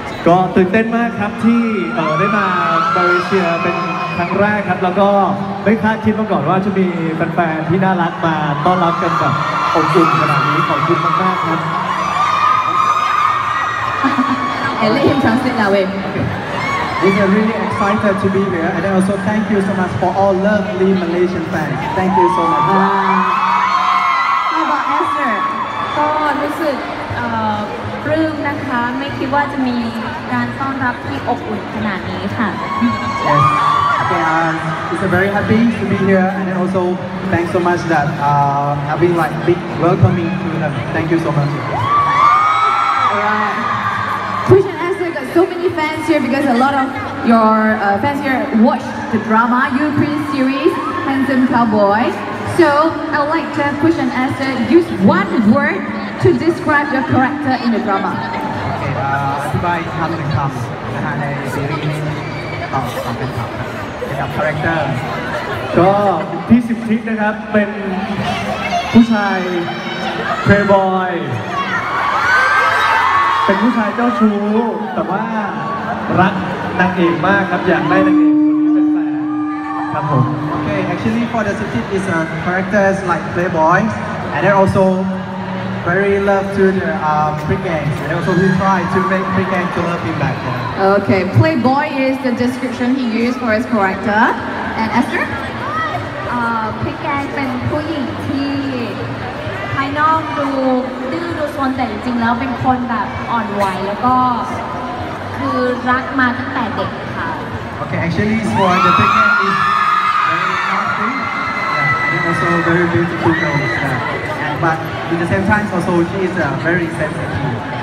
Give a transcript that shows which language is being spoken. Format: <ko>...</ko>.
<th>ก็ตื่นเต้นมากครับที่ได้มาบาเลเซียเป็นครั้งแรกครับแล้วก็ไม่คาดคิดมาก่อนว่าจะมีแฟนๆที่น่ารักมาต้อนรับกันแบบขอบคุณขนาดนี้ขอบคุณมากมากครับ</th> <en>And let him translate now, wait. We are really excited to be here, and also thank you so much for all lovely Malaysian fans. Thank you so much. How about Esther?</en> <th>ก็รู้สึกปลื้มนะคะไม่คิดว่าจะมีการต้อนรับที่อบอุ่นขนาดนี้ค่ะ</th> <en>And it's a very happy to be here, and also thanks so much that having like big welcoming to them. Thank you so much. Alright, Push and Esther got so many fans here because a lot of your fans here watch the drama European series Handsome Cowboy. So I would like to Push and Esther use one word to describe your character in the drama.</en> <th>Okay, คาแรคเตอร์ก็พี่สิบทิศนะครับเป็นผู้ชายเพลย์บอยเป็นผู้ชายเจ้าชู้แต่ว่ารักนางเอกมากครับอยากได้นางเอกคนนี้เป็นแฟนครับผม</th> <en>Okay actually for the city is a character is like playboy and then also very love to the pre gang and also he try to make pre gang to love him back yeah. Okay, playboy is the description he used for his character. And Esther?</en> <th>Pickaxe เป็นผู้หญิงที่ภายนอกดูดื้อดูซนแต่จริงๆแล้วเป็นคนแบบอ่อนไหวแล้วก็คือรักมาตั้งแต่เด็กค่ะ</th> <en>Okay, actually for the pickaxe is very lovely and also very beautiful girl. But in the same time also she is very sensitive.</en>